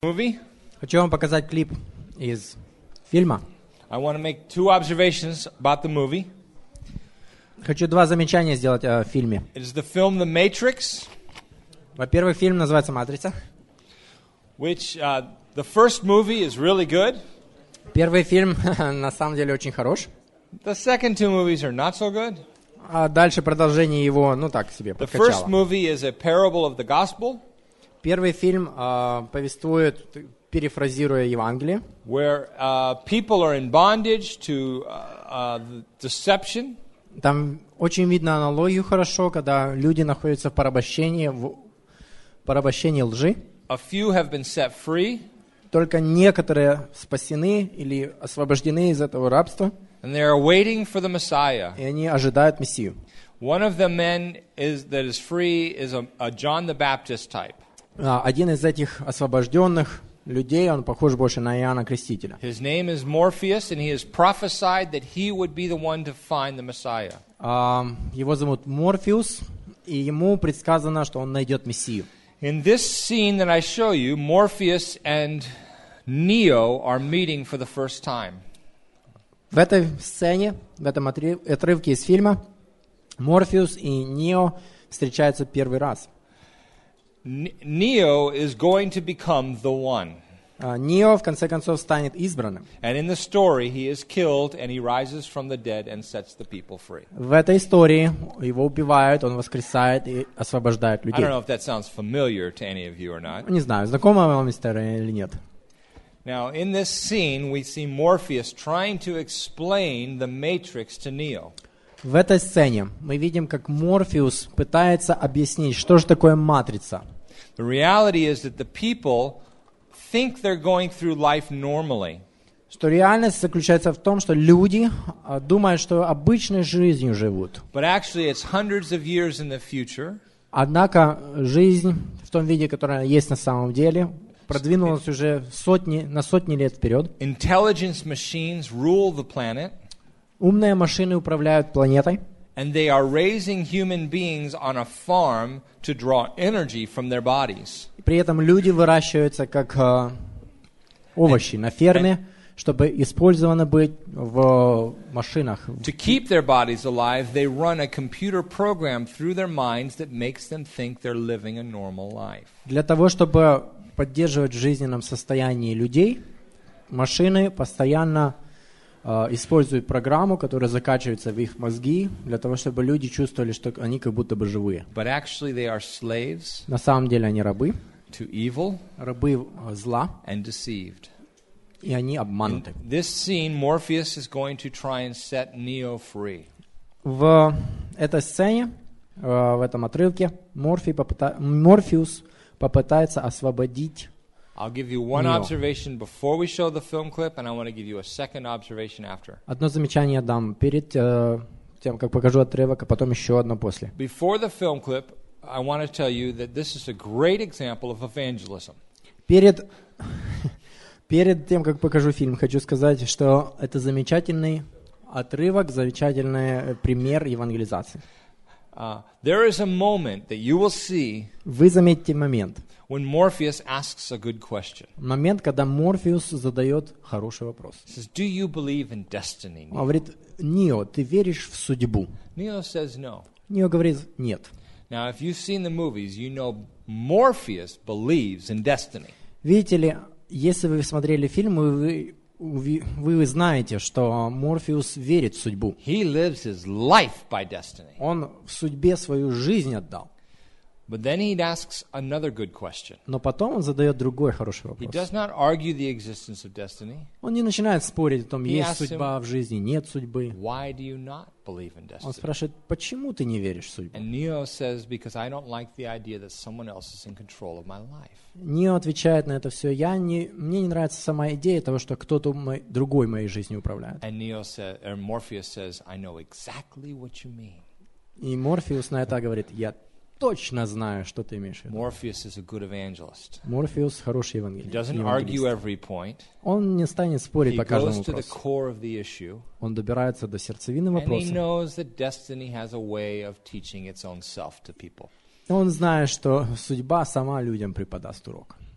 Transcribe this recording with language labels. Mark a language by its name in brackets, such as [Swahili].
[Russian] Хочу вам показать клип из фильма. [English] I want to make two observations about the movie. [Russian] Хочу два замечания сделать о фильме. [English] It is the film The Matrix. [Russian] Во-первых, фильм называется «Матрица». [English] Which the first movie is really good. [Russian] Первый фильм на самом деле очень хорош. [English] The second two movies are not so good. [Russian] А дальше продолжение его, ну так себе, подкачало. [English] The first movie is a parable of the gospel. [Russian] Первый фильм повествует, перефразируя Евангелие. [English] Where people are in bondage to deception. [Russian] Там очень видно аналогию хорошо, когда люди находятся в порабощении лжи. [English] A few have been set free. [Russian] Только некоторые спасены или освобождены из этого рабства. [English] And they are waiting for the Messiah. [Russian] И они ожидают Мессию. [English] One of the men that is free is a John the Baptist type. [Russian] Один из этих освобожденных людей, он похож больше на Иоанна Крестителя. [English] His name is Morpheus, and he has prophesied that he would be the one to find the Messiah. [Russian] Его зовут Морфеус, и ему предсказано, что он найдет Мессию. [English] In this scene that I show you, Morpheus and Neo are meeting for the first time. [Russian] В этой сцене, в этом отрывке из фильма, Морфеус и Нео встречаются первый раз. [English] Neo is going to become the one. [Russian] Нео в конце концов станет избранным. [English] And in the story, he is killed and he rises from the dead and sets the people free. [Russian] В этой истории его убивают, он воскресает и освобождает людей. [English] I don't know if that sounds familiar to any of you or not. [Russian] Не знаю, знакома вам история или нет. [English] Now, in this scene, we see Morpheus trying to explain the Matrix to Neo. [Russian] В этой сцене мы видим, как Морфеус пытается объяснить, что же такое матрица. [English] The reality is that the people think they're going through life normally. [Russian] Что реальность заключается в том, что люди думают, что обычной жизнью живут. [English] But actually, it's hundreds of years in the future. [Russian] Однако жизнь в том виде, которая есть на самом деле, продвинулась уже на сотни лет вперед. [English] Intelligence machines rule the planet. [Russian] Умные машины управляют планетой. [English] And they are raising human beings on a farm to draw energy from their bodies. [Russian] При этом люди выращиваются как овощи на ферме, чтобы использованы быть в машинах. [English] To keep their bodies alive, they run a computer program through their minds that makes them think they're living a normal life. [Russian] Для того, чтобы поддерживать в жизненном состоянии людей, машины постоянно используют программу, которая закачивается в их мозги, для того, чтобы люди чувствовали, что они как будто бы живые. [English] But actually they are slaves. [Russian] На самом деле они рабы. [English] To evil. [Russian] Рабы зла. [English] And deceived. [Russian] И они обмануты. [English] In this scene, Morpheus is going to try and set Neo free. [Russian] В этой сцене, в этом отрывке, Морфеус попытается освободить. [English] I'll give you one observation before we show the film clip, and I want to give you a second observation after. [Russian] Одно замечание дам перед тем, как покажу отрывок, а потом еще одно после. [English] Before the film clip, I want to tell you that this is a great example of evangelism. [Russian] Перед тем, как покажу фильм, хочу сказать, что это замечательный отрывок, замечательный пример евангелизации. [English] There is a moment that you will see. [Russian] Вы заметите момент. [English] When Morpheus asks a good question. [Russian] Момент, когда Морфеус задает хороший вопрос. [English] He says, "Do you believe in destiny?" [Russian] Он говорит: "Нео, ты веришь в судьбу?" [English] Neo says no. [Russian] Нео говорит: "Нет." [English] Now, if you've seen the movies, you know Morpheus believes in destiny. [Russian] Видите ли, если вы смотрели фильмы, вы знаете, что Морфеус верит в судьбу. [English] He lives his life by destiny. [Russian] Он в судьбе свою жизнь отдал. [English] But then he asks another good question. [Russian] Но потом он задает другой хороший вопрос. [English] He does not argue the existence of destiny. [Russian] Он не начинает спорить о том, есть судьба в жизни, нет судьбы. [English] Why do you not believe in destiny? [Russian] Он спрашивает, почему ты не веришь в судьбу? [English] And Neo says, because I don't like the idea that someone else is in control of my life. [Russian] Нео отвечает на это все: мне не нравится сама идея того, что кто-то другой моей жизнью управляет. [English] And Neo says, or Morpheus says, I know exactly what you mean. [Russian] И Морфеус на это говорит: я точно знаю, что ты имеешь в виду. [English] Morpheus is a good evangelist. [Russian] Morpheus хороший евангелист. [English] He doesn't argue every point. [Russian] Он не станет спорить по каждому вопросу. [English] He goes to the core of the issue. [Russian] Он добирается до сердцевины вопроса. [English] And he knows that destiny has a way of teaching its own self to people. [Russian] Он знает, что судьба сама людям преподаст урок.